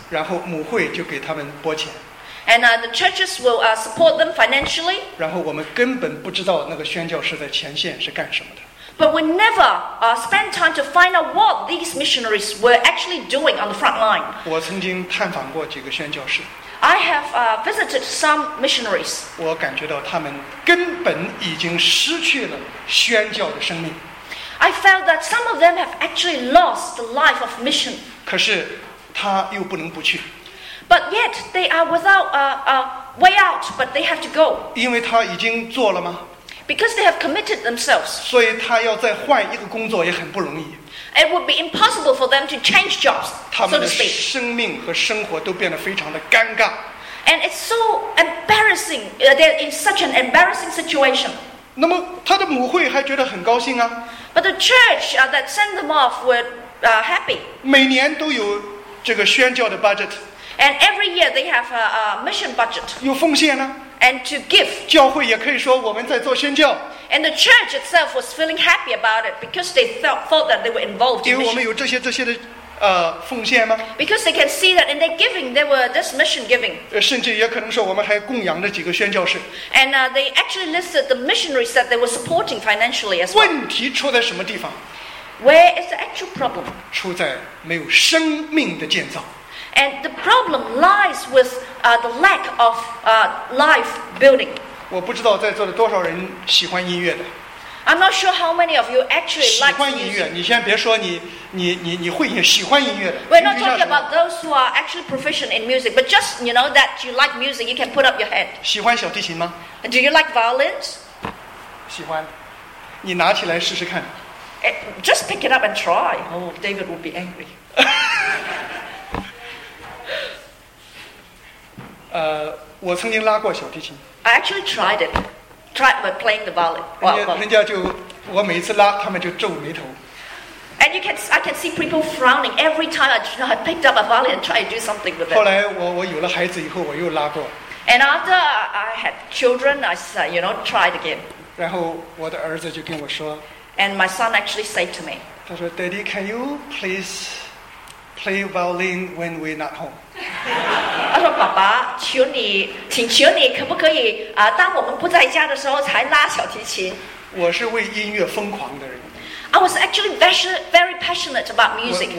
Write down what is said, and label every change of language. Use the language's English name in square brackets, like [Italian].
[Chinese] 然后母会就给他们拨钱。 [English] And the churches will support them financially. [Chinese] 然后我们根本不知道那个宣教士在前线是干什么的。 [English] But we never spend time to find out what these missionaries were actually doing on the front line. [Chinese] 我曾经探访过几个宣教士。 [English] I have visited some missionaries. [Chinese] 我感觉到他们根本已经失去了宣教的生命。 [English] I felt that some of them have actually lost the life of mission. [Chinese] 可是他又不能不去。 [English] But yet they are without a way out, but they have to go. [Chinese] 因为他已经做了吗？ [English] Because they have committed themselves. [Chinese] 所以他要再换一个工作也很不容易。 [English] It would be impossible for them to change jobs, so to speak. [Chinese] 他们的生命和生活都变得非常的尴尬。 [English] And it's so embarrassing. They're in such an embarrassing situation. [Chinese] 那么他的母会还觉得很高兴啊。 [English] But the church that sent them off were happy. [Chinese] 每年都有这个宣教的 budget. [English] And every year they have a mission budget. [Chinese] 有奉献啊。 [English] And to give. [Chinese] 教会也可以说我们在做宣教。 [English] And the church itself was feeling happy about it because they thought that they were involved in mission. [Chinese] 因为我们有这些的奉献吗？ [English] Because they can see that in their giving, there were this mission giving. [Chinese] 甚至也可能说我们还供养了几个宣教士。 [English] And they actually listed the missionaries that they were supporting financially as well. [Chinese] 问题出在什么地方？ [English] Where is the actual problem? [Chinese] 出在没有生命的建造。 [English] And the problem lies with the lack of life building. [Chinese] 我不知道在座的多少人喜欢音乐的。 [English] I'm not sure how many of you actually like music. [Chinese] 喜欢音乐，你先别说你会也喜欢音乐的。 [English] We're not talking about those who are actually proficient in music, but just you know that you like music, you can put up your hand. [Chinese] 喜欢小提琴吗？ [English] Do you like violins? [Chinese] 喜欢，你拿起来试试看。 [English] Just pick it up and try. Oh, David will be angry. [Chinese] 我曾经拉过小提琴。 [English] I actually tried it. tried by playing the violin. [Chinese] 人家就我每次拉，他们就皱眉头。 [English] And you can, I can see people frowning every time I picked up a violin and tried to do something with it. [Chinese] 后来我有了孩子以后，我又拉过。 [English] And after I had children, I said, you know, tried again. [Chinese] 然后我的儿子就跟我说。 [English] And my son actually said to me. [Chinese] 他说 [English] ，Daddy, can you please play violin when we're not home. [Chinese] 他说：“爸爸，求你，请求你，可不可以啊？当我们不在家的时候，才拉小提琴。” 我是为音乐疯狂的人。 [English] I was actually very, very passionate about music.